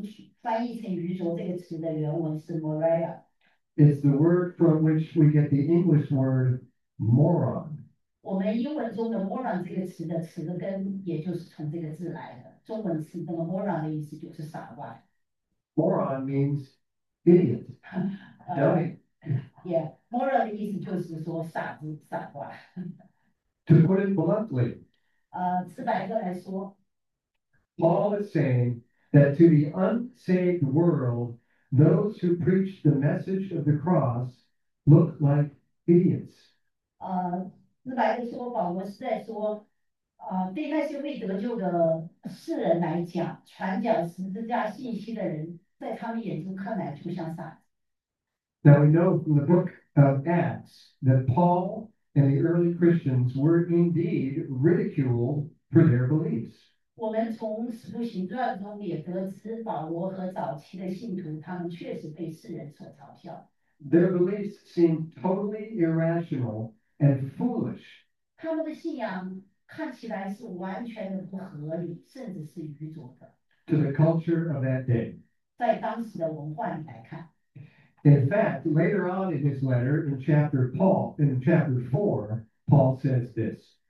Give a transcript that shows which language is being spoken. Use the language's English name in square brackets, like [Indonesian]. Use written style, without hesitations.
[Chinese] 就是在希腊文中翻译成愚拙这个词的原文是moraia。 [English] It's the word from which we get the English word moron. [Chinese] 我们英文中的moron这个词的词根也就是从这个字来的，中文词那个moron的意思就是傻瓜。 [English] Moron means idiot, dummy. [Chinese] Moron的意思就是说傻子傻瓜。 [English] To put it bluntly, [Chinese] 直白的来说, [English] Paul is saying that to the unsaved world, Those who preach the message of the cross look like idiots. [Chinese] 那白的说法，我是在说，对那些为得救的世人来讲，传讲十字架信息的人，在他们眼中看来就像傻子。 [English] Now we know from the book of Acts that Paul and the early Christians were indeed ridiculed for their beliefs. [Chinese] 我们从使徒行传中也得知，保罗和早期的信徒，他们确实被世人所嘲笑。 [English] Their beliefs seemed totally irrational and foolish. [Chinese] 他们的信仰看起来是完全的不合理，甚至是愚拙的。 [English] To the culture of that day. [Chinese] 在当时的文化里来看。 [English] In fact, later on in his letter, in chapter 4, Paul says this.